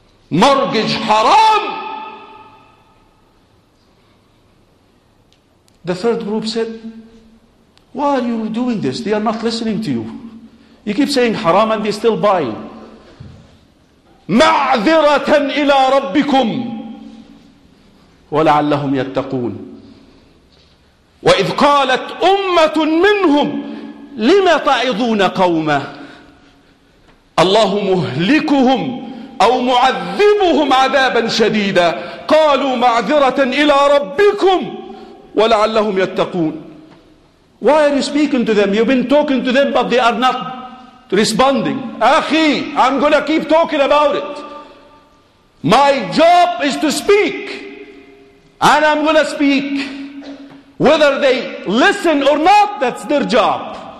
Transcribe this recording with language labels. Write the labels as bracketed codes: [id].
[en] Mortgage haram. The third group said, why are you doing this? They are not listening to you. You keep saying haram and they're still buying. [ar] معذرة إلى ربكم ولعلهم يتقون. وإذ قالت أمة منهم لما تعظون قوما الله مهلكهم أو معذبهم عذابا شديدا قالوا معذرة إلى ربكم ولعلهم يتقون. [en] Why are you speaking to them? You've been talking to them but they are not responding. أخي, I'm gonna keep talking about it. My job is to speak. And I'm gonna speak. Whether they listen or not, that's their job.